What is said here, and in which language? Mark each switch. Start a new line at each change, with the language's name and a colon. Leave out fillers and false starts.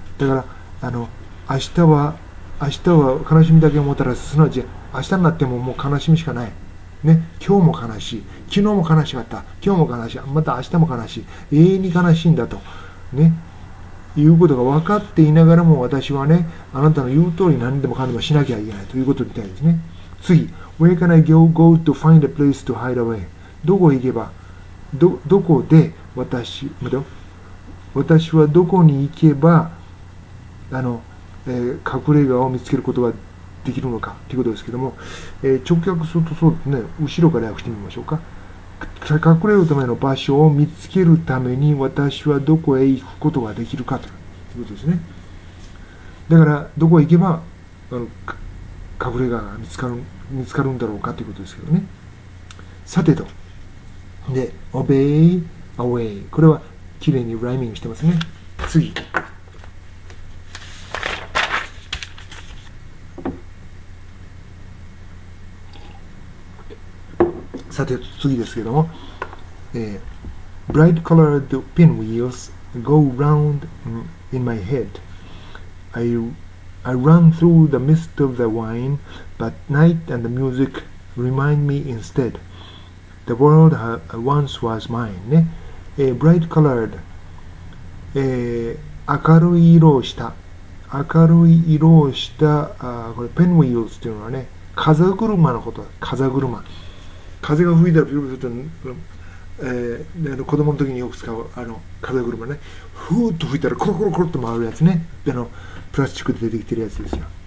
Japanese: だからあの明日は悲しみだけをもたらす、すなわち明日になってももう悲しみしかないね、今日も悲しい、昨日も悲しかった、今日も悲しい、また明日も悲しい、永遠に悲しいんだとね、いうことが分かっていながらも、私はね、あなたの言う通り何でもかんでもしなきゃいけないということみたいですね。
English: 次、Where can I go to find a place to hide away?
Japanese: どこへ行けば、どこで私、待てよ、私はどこに行けば、あの、隠れ家を見つけることができるのかということですけども、直訳するとそうですね、後ろから訳してみましょうか。隠れるための場所を見つけるために私はどこへ行くことができるかということですね。だからどこへ行けばあの隠れ家が見つかるんだろうかということですけどね。さてと、で Obey Away、 これはきれいにライミングしてますね。
English: 次、さて次ですけども、Bright colored pinwheels go round in my head. I run through the mist of the wine, but night and the music remind me instead. The world once was mine.
Japanese: ね、
English: Bright colored、
Japanese: 明るい色をした、明るい色をした、これ pinwheels というのはね、風車のこと、風車。風が吹いたらピュルピュルと、子供の時によく使うあの風車ね、ふーっと吹いたらコロコロコロっと回るやつね、あのプラスチックでできてるやつですよ。